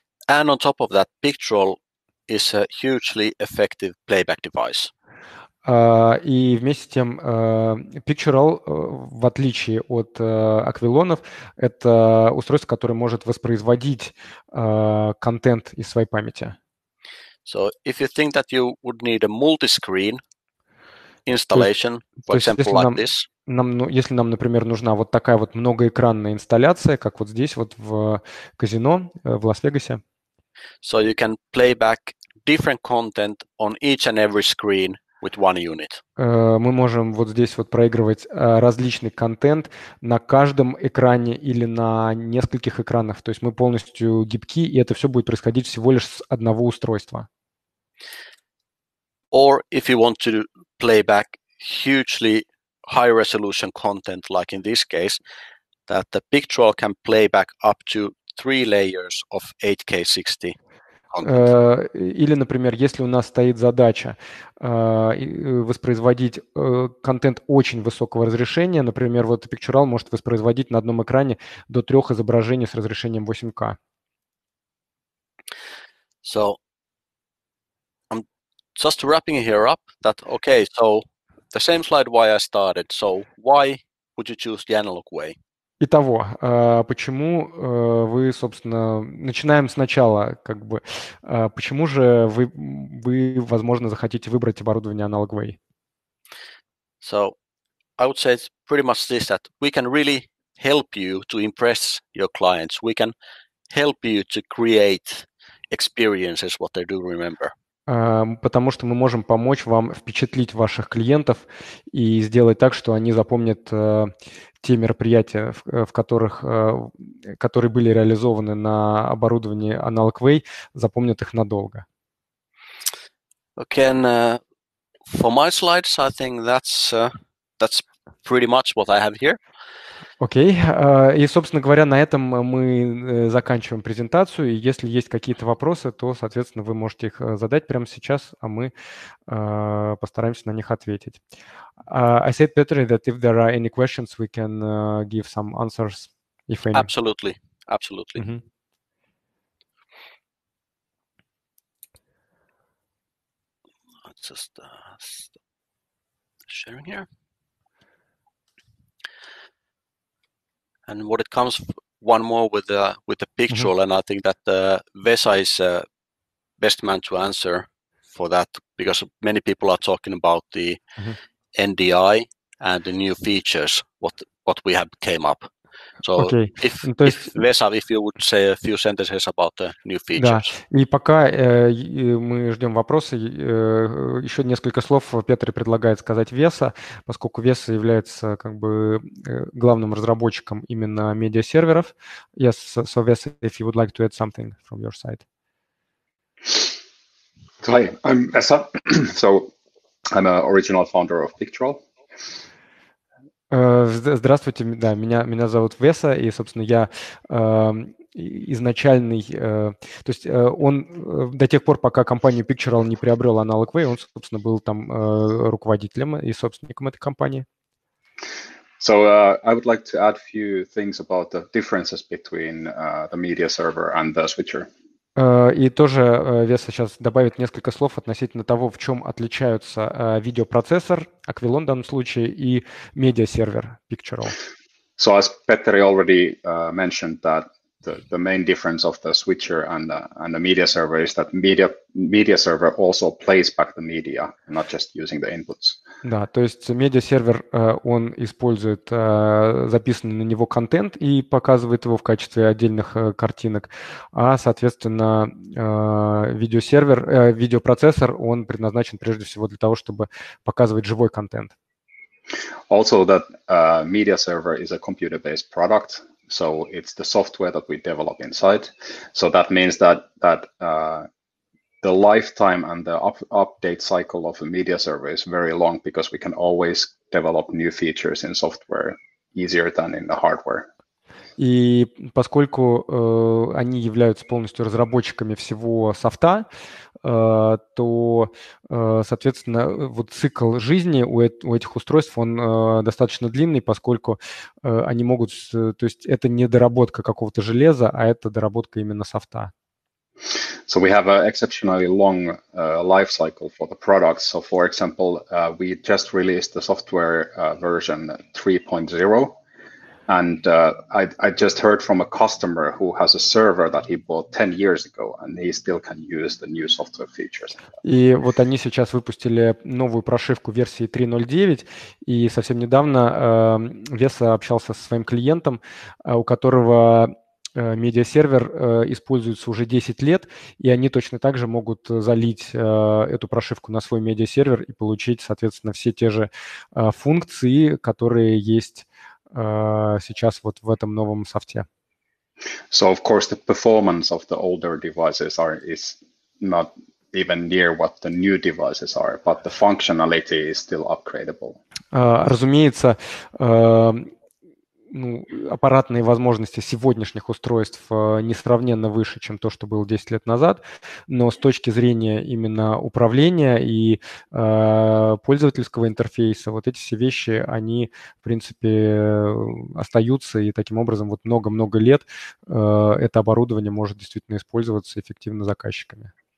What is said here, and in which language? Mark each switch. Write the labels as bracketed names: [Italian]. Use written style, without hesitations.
[English] And on top of that, Picturall is a hugely effective playback device. [Russian] И вместе с тем, Picturall, в отличие от Aquilon'ов, это устройство, которое может воспроизводить контент из своей памяти. [English] So if you think that you would need a multi-screen installation, for example, like this. [Russian] Если нам, например, нужна вот такая вот многоэкранная инсталляция, как вот здесь вот в казино в Лас-Вегасе. [English] So you can play back different content on each and every screen with one unit. [Russian] Мы можем вот здесь вот проигрывать различный контент на каждом экране или на нескольких экранах. То есть мы полностью гибки, и это все будет происходить всего лишь с одного устройства. [English] Or if you want to play back hugely high resolution content, like in this case, that the Picturall can play back up to 3 layers of 8K60. [Russian] Или, например, если у нас стоит задача воспроизводить контент очень высокого разрешения, например, вот Picturall может воспроизводить на одном экране до 3 изображений с разрешением 8K. [English] So, I'm just wrapping here up that, okay, so the same slide why I started. So, why would you choose the analog way? [Russian] Итого, почему вы, собственно, начинаем сначала, как бы, почему же вы, возможно, захотите выбрать оборудование Analog Way? [English] So, I would say it's pretty much this, that we can really help you to impress your clients. We can help you to create experiences, what they do remember. [Russian] Потому что мы можем помочь вам впечатлить ваших клиентов и сделать так, что они запомнят те мероприятия, которые были реализованы на оборудовании Analog Way, запомнят их надолго. [English] Okay, and for my slides, I think that's pretty much what I have here. Окей. Okay. [Russian] И, собственно говоря, на этом мы заканчиваем презентацию. И если есть какие-то вопросы, то, соответственно, вы можете их задать прямо сейчас, а мы постараемся на них ответить. [English] I said, Peter, that if there are any questions, we can give some answers, if any. Absolutely. Absolutely. Mm-hmm. Let's just stop sharing here. And what it comes one more with the Picturall, mm-hmm. And I think that Vesa is the best man to answer for that, because many people are talking about the mm-hmm. NDI and the new features, what we have came up. So okay. If, [Russian] ну, то есть... [English] if Леша, if you would say a few sentences about the new features. [Russian] Да. И пока мы ждем вопросы, еще несколько слов Петр предлагает сказать Веса, поскольку Веса является как бы главным разработчиком именно медиа-серверов. [English] Yes, so Веса, if you would like to add something from your side. Hi, I'm Essa. So I'm an original founder of Picturall. [Russian] Здравствуйте, да, меня зовут Веса, и, собственно, я изначальный, то есть он до тех пор, пока компанию Picturall не приобрел Analog Way, он, собственно, был там руководителем и собственником этой компании. [English] So I would like to add a few things about the differences between the media server and the switcher. [Russian] И тоже Веса сейчас добавит несколько слов относительно того, в чем отличаются видеопроцессор, Aquilon в данном случае, и медиа-сервер Picturall. [English] So as Petteri already mentioned, that the main difference of the switcher and the media server is that media server also plays back the media, not just using the inputs. [Russian] Да, то есть медиа-сервер, он использует записанный на него контент и показывает его в качестве отдельных картинок, а, соответственно, видеопроцессор, он предназначен прежде всего для того, чтобы показывать живой контент. [English] Also that media server is a computer-based product, so it's the software that we develop inside. So that means that the lifetime and the update cycle of a media server is very long because we can always develop new features in software easier than in the hardware. [Russian] И поскольку они являются полностью разработчиками всего софта, то, соответственно, вот цикл жизни у этих устройств, он достаточно длинный, поскольку они могут... То есть это не доработка какого-то железа, а это доработка именно софта. [English] So we have an exceptionally long life cycle for the products. So for example, we just released the software version 3.0. And I just heard from a customer who has a server that he bought 10 years ago, and he still can use the new software features. [Russian] И вот они сейчас выпустили новую прошивку версии 3.0.9, и совсем недавно Веса общался со своим клиентом, у которого медиа-сервер используется уже 10 лет, и они точно так же могут залить эту прошивку на свой медиа-сервер и получить, соответственно, все те же функции, которые есть сейчас вот в этом новом софте. [English] So of course the performance of the older devices is not even near what the new devices are, but the functionality is still upgradable. [Russian] Разумеется, ну, аппаратные возможности сегодняшних устройств несравненно выше, чем то, что было 10 лет назад, но с точки зрения именно управления и пользовательского интерфейса, вот эти все вещи, они, в принципе, остаются, и таким образом вот много-много лет это оборудование может действительно использоваться эффективно заказчиками.